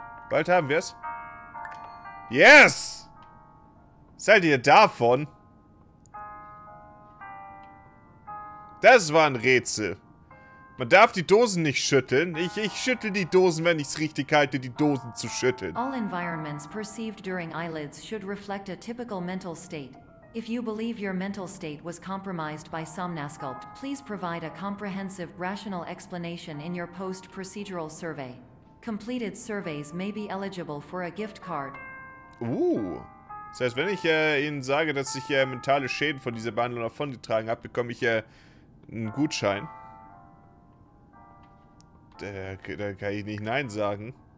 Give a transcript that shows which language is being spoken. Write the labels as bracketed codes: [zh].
[de] Bald haben wir es. Yes! Seid ihr davon? Das war ein Rätsel. Man darf die Dosen nicht schütteln. Ich schüttel die Dosen, wenn ich es richtig halte, die Dosen zu schütteln. [en] All environments perceived during eyelids should reflect a typical mental state. If you believe your mental state was compromised by Somnasculpt, please provide a comprehensive, rational explanation in your post-procedural survey. Completed surveys may be eligible for a gift card. [de] Das heißt, wenn ich Ihnen sage, dass ich mentale Schäden von dieser Behandlung davongetragen habe, bekomme ich einen Gutschein. Da kann ich nicht Nein sagen.